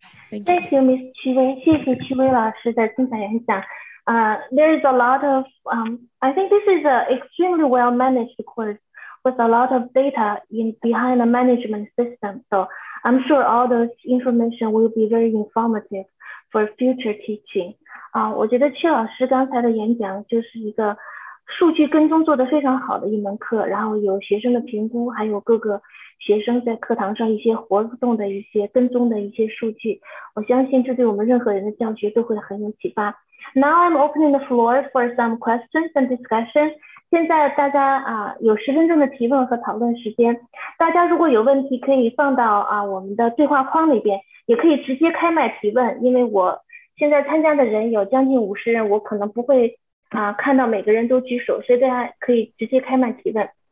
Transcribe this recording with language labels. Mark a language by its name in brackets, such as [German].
[English] Thank you, Ms. Qi Wei. [Chinese] 谢谢 Qi Wei 老师的精彩演讲。 [English] There is a lot of, I think this is an extremely well-managed course with a lot of data behind the management system. So I'm sure all those information will be very informative for future teaching. [Chinese] 我觉得 Qi 老师刚才的演讲就是一个数据跟踪做得非常好的一门课，然后有学生的评估，还有各个学生在课堂上一些活动的一些跟踪的一些数据，我相信这对我们任何人的教学都会很有启发。 [English] Now I'm opening the floor for some questions and discussion. [Chinese] 现在大家有十分钟的提问和讨论时间，大家如果有问题可以放到我们的对话框里边，也可以直接开麦提问，因为我现在参加的人有将近50人，我可能不会看到每个人都举手，所以大家可以直接开麦提问。